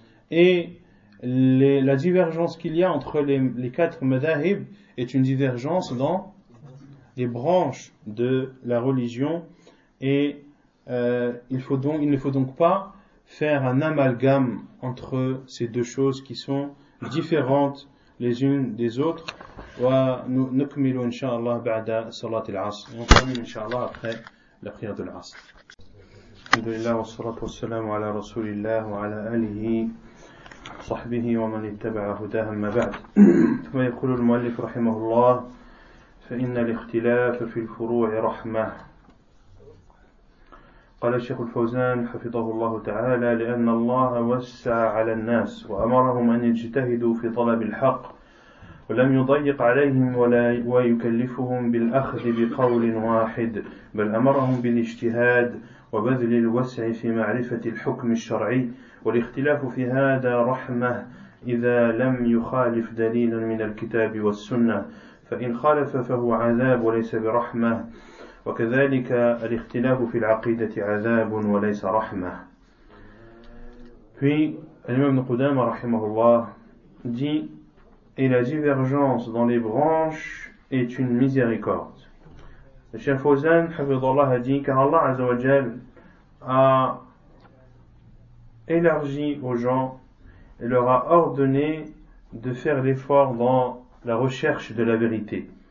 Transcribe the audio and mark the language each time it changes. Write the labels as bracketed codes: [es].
[fr] Et la divergence qu'il y a entre les quatre madahib est une divergence dans les branches de la religion. Et il ne faut donc pas faire un amalgame entre ces deux choses qui sont différentes les unes des autres. [ar] ونكمل إن شاء الله بعد صلاة العصر ونكمل إن شاء الله أخير لقيادة العصر. الحمد لله والصلاة والسلام على رسول الله وعلى آله صحبه ومن اتبع هداه، ما بعد. ثم يقول المؤلف رحمه الله: فإن الاختلاف في الفروع رحمة. قال الشيخ الفوزان حفظه الله تعالى: لأن الله وسع على الناس وأمرهم أن يجتهدوا في طلب الحق ولم يضيق عليهم ولا ويكلفهم بالأخذ بقول واحد، بل أمرهم بالاجتهاد وبذل الوسع في معرفة الحكم الشرعي. والاختلاف في هذا رحمة إذا لم يخالف دليلا من الكتاب والسنة، فإن خالف فهو عذاب وليس برحمة. وكذلك الاختلاف في العقيدة عذاب وليس رحمة. في الإمام ابن قدامة رحمه الله دي: [fr] et la divergence dans les branches est une miséricorde. Le chef Ozan, Hafidhullah, a dit: car Allah Azzawajal a élargi aux gens et leur a ordonné de faire l'effort dans la recherche de la vérité.